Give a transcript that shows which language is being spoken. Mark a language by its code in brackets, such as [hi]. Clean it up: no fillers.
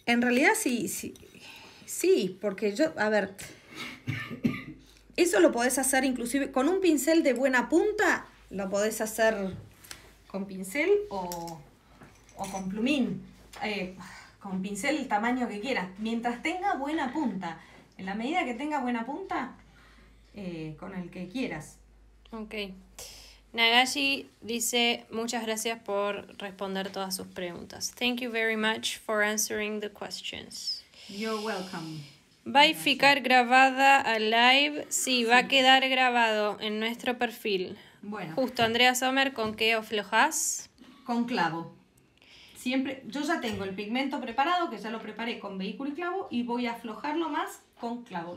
[es] En realidad sí, sí, sí, porque yo, a ver, eso lo podés hacer inclusive con un pincel de buena punta, lo podés hacer con pincel o con plumín, con pincel el tamaño que quieras, mientras tenga buena punta. En la medida que tenga buena punta, con el que quieras. Ok. Nagashi dice, muchas gracias por responder todas sus preguntas. [en] Thank you very much for answering the questions. You're welcome. [es] Va a ficar grabada a live. Sí, sí, va a quedar grabado en nuestro perfil. Bueno. Justo, Andrea Sommer, ¿con qué aflojas? Con clavo. Siempre, yo ya tengo el pigmento preparado, que ya lo preparé con vehículo y clavo, y voy a aflojarlo más con clavo.